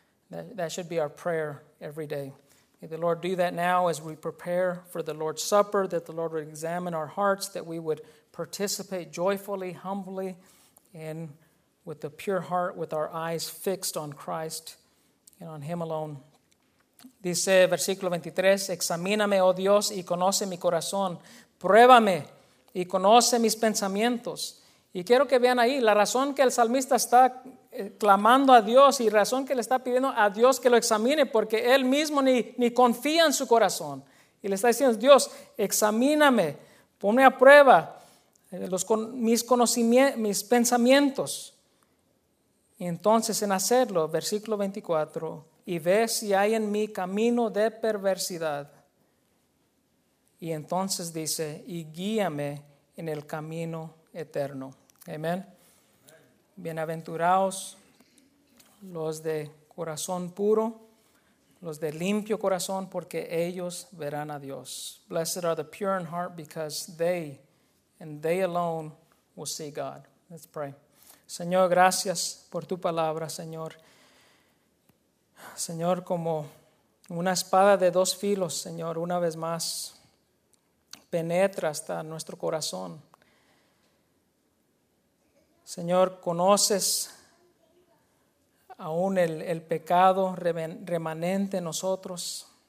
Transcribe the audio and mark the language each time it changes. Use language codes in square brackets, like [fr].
[en] That should be our prayer every day. May the Lord do that now as we prepare for the Lord's Supper, that the Lord would examine our hearts, that we would participate joyfully, humbly, and with a pure heart, with our eyes fixed on Christ and on Him alone. [es] Dice, versículo 23, examíname, oh Dios, y conoce mi corazón. Pruébame, y conoce mis pensamientos. Y quiero que vean ahí, la razón que el salmista está clamando a Dios y razón que le está pidiendo a Dios que lo examine, porque él mismo ni confía en su corazón. Y le está diciendo, Dios, examíname, ponme a prueba mis pensamientos. Y entonces en hacerlo, versículo 24, y ve si hay en mí camino de perversidad. Y entonces dice, y guíame en el camino eterno. Amén. Bienaventurados los de corazón puro, los de limpio corazón, porque ellos verán a Dios. [en] Blessed are the pure in heart, because they and they alone will see God. Let's pray. [es] Señor, gracias por tu palabra, Señor. Señor, como una espada de dos filos, Señor, una vez más penetra hasta nuestro corazón. Señor, conoces aún el pecado remanente en nosotros.